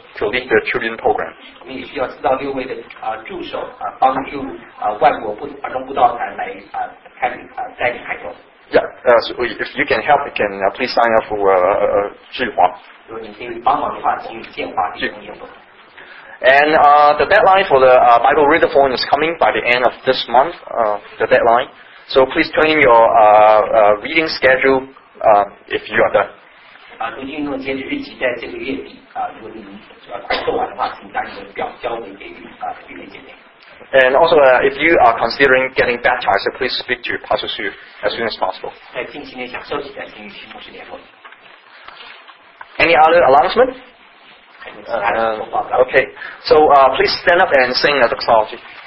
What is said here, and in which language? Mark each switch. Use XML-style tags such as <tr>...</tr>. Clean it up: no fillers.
<en>To lead the children program. So if you can help, you can please sign up for Zhihua. And the deadline for the Bible readathon is coming by the end of this month, the deadline. So please turn in your reading schedule if you are done.</en> <zh>读经运动截止日期在这个月底如果你快做完的话，请把你的表交回给弟兄姐妹。</zh> <en>And also, if you are considering getting baptized, please speak to Pastor Su as soon as possible.</en> <zh>在近期内想受洗的，请与其牧师联络。</zh> <en>Any other announcement? Okay. So please stand up and sing the doxology.</en>